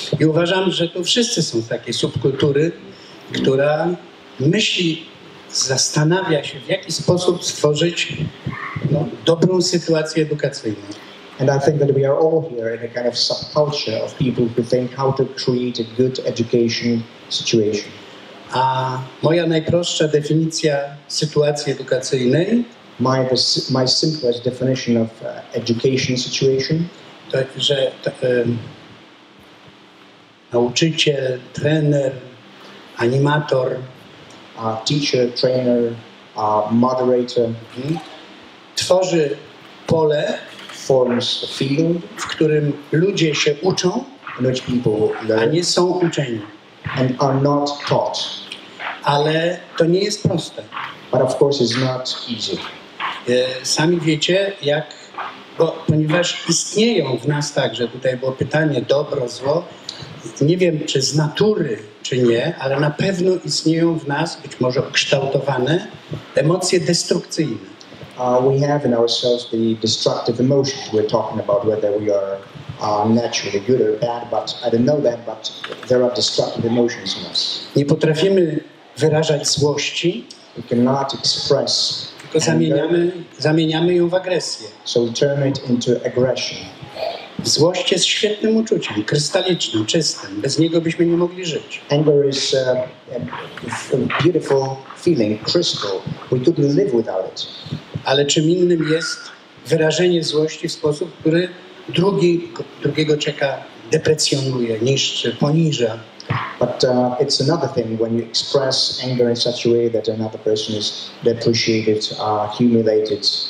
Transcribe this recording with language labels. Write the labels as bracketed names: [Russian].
[Polish] I uważam, że tu wszyscy są z takiej subkultury, która myśli, zastanawia się, w jaki sposób stworzyć dobrą sytuację edukacyjną. [English] And I think that we are all here in a kind of subculture of people who think how to create a good education situation. [Polish] A moja najprostsza definicja sytuacji edukacyjnej, [English] my simplest definition of education situation, [Polish] to, że nauczyciel, trener, animator, [English] teacher, trainer, moderator, [Polish] tworzy pole, [English] forms a field, [Polish] w którym ludzie się uczą, [English] in which people learn, [Polish] a nie są uczeni, [English] and are not taught. [Polish] Ale to nie jest proste. [English] But of course it's not easy. [Polish] Sami wiecie, jak, bo, ponieważ istnieją w nas także, tutaj było pytanie, dobro, zło, nie wiem, czy z natury, czy nie, ale na pewno istnieją w nas, być może ukształtowane, emocje destrukcyjne. [English] We have in ourselves the destructive emotions. We're talking about whether we are naturally good or bad, but I don't know that, but there are destructive emotions in us. [Polish] Nie potrafimy wyrażać złości. [English] We cannot express [Polish] tylko zamieniamy ją w agresję. [English] So we turn it into aggression. [Polish] Złość jest świetnym uczuciem, krystalicznym, czystym. Bez niego byśmy nie mogli żyć. [English] Anger is a beautiful feeling, crystal. We couldn't live without it. [Polish] Ale czym innym jest wyrażenie złości w sposób, który drugiego czeka deprecjonuje, niszczy, poniża. [English] But it's another thing when you express anger in such a way that another person is depreciated, humiliated.